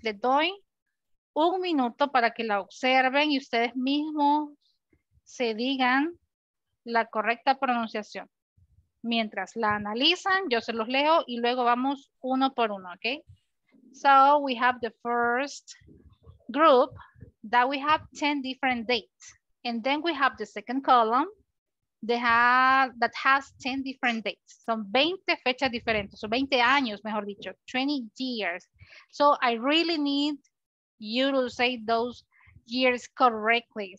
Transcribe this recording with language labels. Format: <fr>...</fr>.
<es>Le doy un minuto para que la observen y ustedes mismos se digan la correcta pronunciación. Mientras la analizan, yo se los leo y luego vamos uno por uno, okay?</es> <en>So we have the first group that we have 10 different dates. And then we have the second column that has 10 different dates.</en> <es>Son 20 fechas diferentes,</es> <en>so 20</en> <es>años, mejor dicho,</es> <en>20 years. So I really need you to say those years correctly.</en>